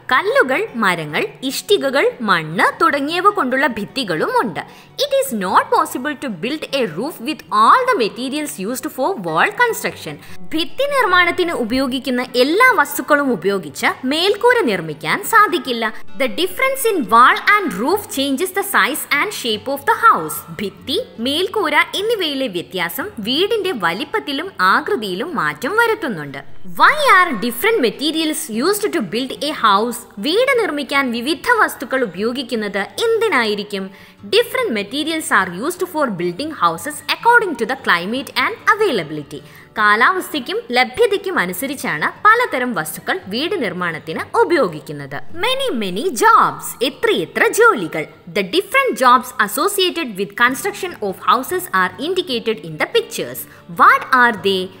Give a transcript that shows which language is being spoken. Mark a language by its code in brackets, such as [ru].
[ml] കല്ലുകൾ, മരങ്ങൾ, ഇഷ്ടികകൾ, മണ്ണ് തുടങ്ങിയവ കൊണ്ടുള്ള ഭിത്തികളും ഉണ്ട്. [en] It is not possible to build a roof with all the materials used for wall construction. [ml] ഭിത്തി നിർമ്മാണത്തിന് ഉപയോഗിക്കുന്ന എല്ലാ വസ്തുക്കളും ഉപയോഗിച്ച് മേൽക്കൂര നിർമ്മിക്കാൻ സാധിക്കില്ല. [en] The difference in wall and roof changes the size and shape of the house. [ml] ഭിത്തി, മേൽക്കൂര എന്നിവയിലെ വ്യത്യാസം വീടിന്റെ വലിപ്പത്തിലും ആകൃതിയിലും മാറ്റം വരുത്തുന്നുണ്ട്. [en] Why are different materials used to build a house? [ml] വീട് നിർമ്മിക്കാൻ വിവിധ വസ്തുക്കൾ ഉപയോഗിക്കുന്നത് എന്തിനായിരിക്കും? [en] Different materials are used for building houses according to the climate and availability. [ml] കാലാവസ്ഥയ്ക്കും ലഭ്യതയ്ക്കും അനുസരിച്ചാണ് പലതരം വസ്തുക്കൾ വീട് നിർമ്മാണത്തിന് ഉപയോഗിക്കുന്നത്. [en] Many many jobs. [ml] എത്രയെത്ര ജോലികൾ. [en] The different jobs associated with construction of houses are indicated in the pictures. What are they?